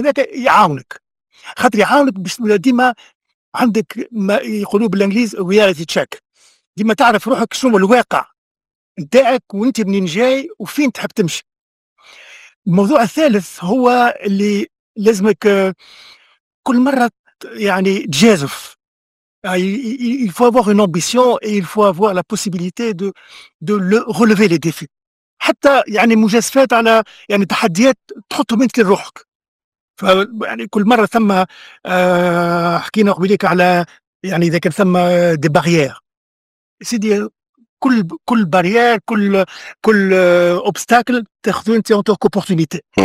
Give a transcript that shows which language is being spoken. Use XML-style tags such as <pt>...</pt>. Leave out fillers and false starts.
<ar>هذاك يعاونك، خاطر يعاونك باش ديما عندك ما يقولوا بالانجليز</ar> <en>reality check,</en> <ar>ديما تعرف روحك شنو الواقع نتاعك وانت منين جاي وفين تحب تمشي. الموضوع الثالث هو اللي لازمك كل مره يعني تجازف.</ar> <fr>Il faut avoir une ambition et il faut avoir la possibilité de le relever les défis.</fr> <ar>حتى يعني مجازفات على يعني تحديات تحطهم انت لروحك. ف يعني كل مره ثم حكينا قبليك على يعني اذا كان ثم</ar> <fr>دي باريير.</fr> <ar>سيدي كل باريير، كل اوبستاكل تاخذه انت</ar> <en>On took opportunity.</en>